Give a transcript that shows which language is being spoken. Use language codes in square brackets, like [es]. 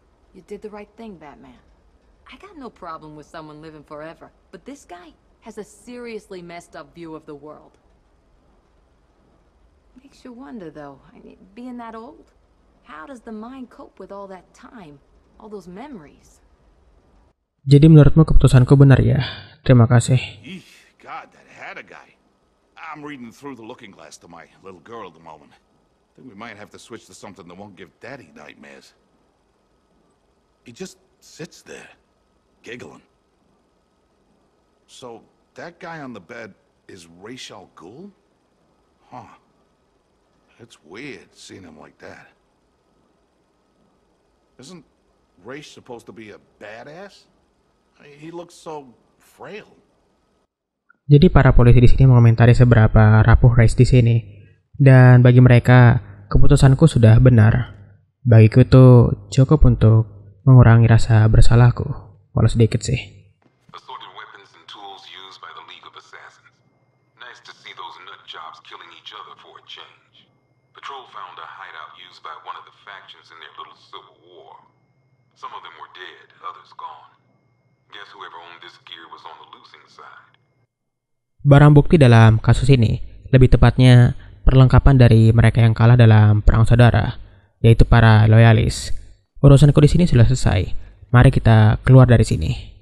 [en] You did the right thing, Batman. I got no problem with someone living forever, but this guy has a seriously messed up view of the world. Makes you wonder, though. I mean, being that old, how does the mind cope with all that time, all those memories? [id] Jadi menurutmu keputusanku benar ya? Terima kasih. [en] Eesh, God, that had a guy. I'm reading through the looking glass to my little girl at the moment. We might have to switch to something that won't give Daddy nightmares. He just sits there, giggling. So, that guy on the bed is Ra's al Ghul? Huh. It's weird seeing him like that. Isn't Ra's supposed to be a badass? He looks so frail. [id] Jadi para polisi di sini mengomentari seberapa rapuh Ra's di sini. Dan bagi mereka, keputusanku sudah benar. Bagiku itu cukup untuk mengurangi rasa bersalahku, walau sedikit sih. [en] Assorted weapons and tools used by the League of Assassins. Nice to see those nut jobs killing each other for a change. Patrol found a hideout used by one of the factions in their little civil war. Some of them were dead, others gone. Guess whoever owned this gear was on the losing side. [id] Barang bukti dalam kasus ini, lebih tepatnya perlengkapan dari mereka yang kalah dalam perang saudara, yaitu para loyalis. Urusanku di sini sudah selesai. Mari kita keluar dari sini.